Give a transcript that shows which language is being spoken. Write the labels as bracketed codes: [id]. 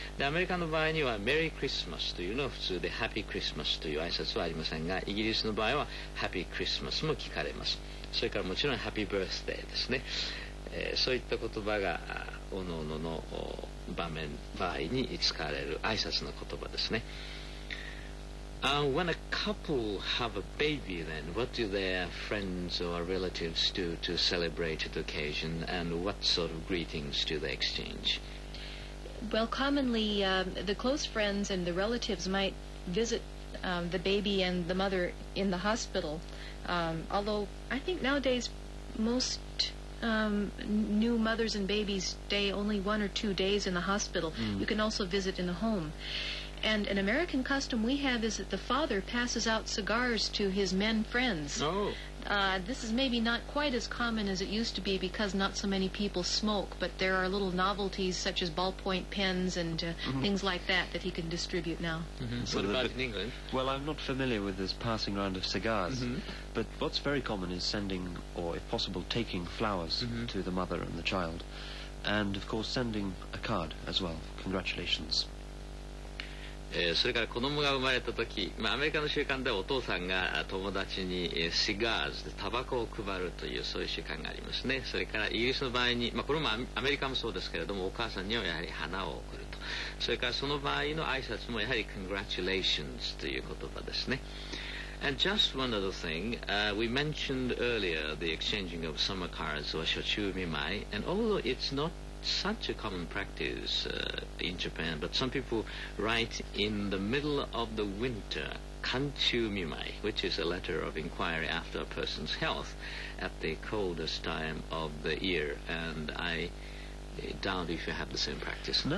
[ja] で、アメリカの場合にはメリークリスマスというのは普通で、ハッピークリスマスという挨拶はありませんが、イギリスの場合はハッピークリスマスも聞かれます。それからもちろんハッピーバースデーですね。そういった言葉が各々の場面、場合に使われる挨拶の言葉ですね。 [en] When a couple have a baby, then what do their friends or relatives do to celebrate the occasion, and what sort of greetings do they exchange? Well, commonly, the close friends and the relatives might visit the baby and the mother in the hospital. Although I think nowadays most new mothers and babies stay only 1 or 2 days in the hospital. Mm. You can also visit in the home. And an American custom we have is that the father passes out cigars to his men friends. Oh. This is maybe not quite as common as it used to be because not so many people smoke, but there are little novelties such as ballpoint pens and things like that that he can distribute now. Mm-hmm. What about in England? Well, I'm not familiar with this passing round of cigars, mm-hmm. but what's very common is sending, or if possible, taking flowers mm-hmm. to the mother and the child, and of course sending a card as well, congratulations. [ja] それから子供が生まれた時、まあ、アメリカの習慣ではお父さんが友達にシガーズでタバコを配るというそういう習慣がありますね。それからイギリスの場合に、まあ、これもアメリカもそうですけれども、お母さんにはやはり花を贈ると。それからその場合の挨拶もやはり Congratulations という言葉ですね。 [en] And just one other thing、we mentioned earlier the exchanging of summer cards or 初秋見舞い and although it's notsuch a common practice in Japan, but some people write in the middle of the winter, kanchu mimai, which is a letter of inquiry after a person's health at the coldest time of the year, and I doubt if you have the same practice.